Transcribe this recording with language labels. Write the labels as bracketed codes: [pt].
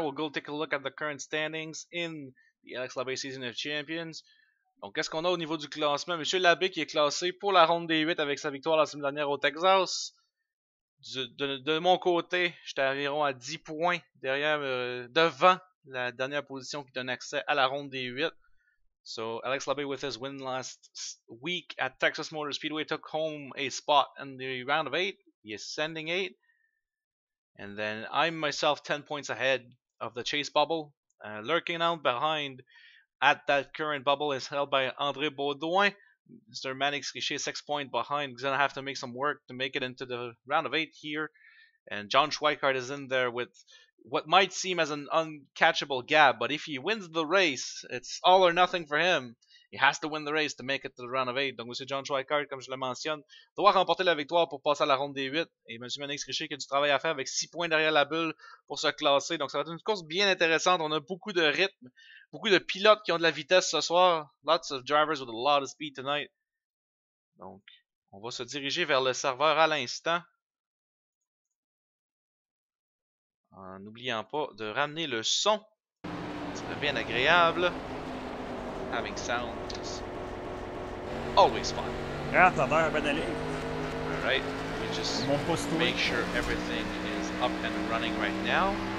[en] We'll go take a look at the current standings in the Alex Labbé Season of Champions. [fr] Donc, qu'est-ce qu'on a au niveau du classement? Monsieur Labbé qui est classé pour la ronde des 8 avec sa victoire la semaine dernière au Texas. De mon côté, j'étais environ à 10 points derrière, devant la dernière position qui donne accès à la ronde des 8. [en] So, Alex Labbé with his win last week at Texas Motor Speedway took home a spot in the round of 8. He is sending 8. And then I'm myself 10 points ahead of the chase bubble. Lurking out behind at that current bubble is held by André Baudouin. Mr. Manix Richer 6 points behind. He's going to have to make some work to make it into the round of 8 here. And John Schweikart is in there with what might seem as an uncatchable gap. But if he wins the race, it's all or nothing for him. He has to win the race to make it to the round of 8. [fr] Donc, M. John Schweikart, comme je le mentionne, doit remporter la victoire pour passer à la ronde des 8. Et M. Manix Richer qui a du travail à faire avec 6 points derrière la bulle pour se classer. Donc, ça va être une course bien intéressante. On a beaucoup de rythme, beaucoup de pilotes qui ont de la vitesse ce soir. [en] Lots of drivers with a lot of speed tonight. [fr] Donc, on va se diriger vers le serveur à l'instant. En n'oubliant pas de ramener le son. Ça devient bien agréable. [en] Having sound is always fun. Alright, we just make sure everything is up and running right now.